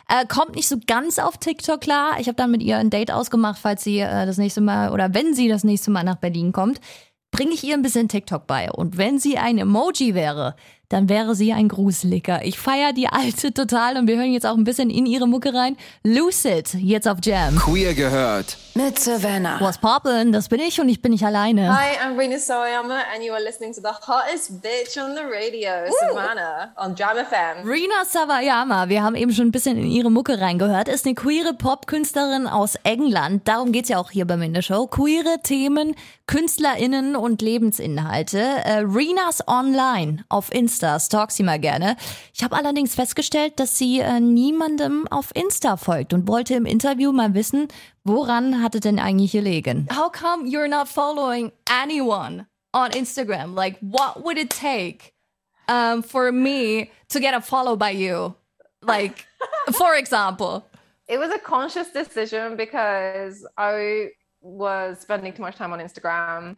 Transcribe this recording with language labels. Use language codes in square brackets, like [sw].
[de] Kommt nicht so ganz auf TikTok klar. Ich habe dann mit ihr ein Date ausgemacht, falls sie das nächste Mal oder wenn sie das nächste Mal nach Berlin kommt, bringe ich ihr ein bisschen TikTok bei. Und wenn sie ein Emoji wäre, dann wäre sie ein Grußlicker. Ich feiere die Alte total und wir hören jetzt auch ein bisschen in ihre Mucke rein. Lucid, jetzt auf Jam. Queer gehört. Mit Savannah. [en] What's poppin'? [de] Das bin ich und ich bin nicht alleine. [en] Hi, I'm Rina Soyama and you are listening to the hottest bitch on the radio, Savannah, on Jam FM. [de] Rina Savayama, wir haben eben schon ein bisschen in ihre Mucke reingehört, ist eine queere Popkünstlerin aus England. Darum geht's ja auch hier bei mir in der Show. Queere Themen, KünstlerInnen und Lebensinhalte. Rina's online auf Insta, stalk sie mal gerne. Ich habe allerdings festgestellt, dass sie niemandem auf Insta folgt und wollte im Interview mal wissen, woran hat es denn eigentlich gelegen? [en] How come you're not following anyone on Instagram? Like, what would it take for me to get a follow by you? Like, for example. It was a conscious decision because I was spending too much time on Instagram.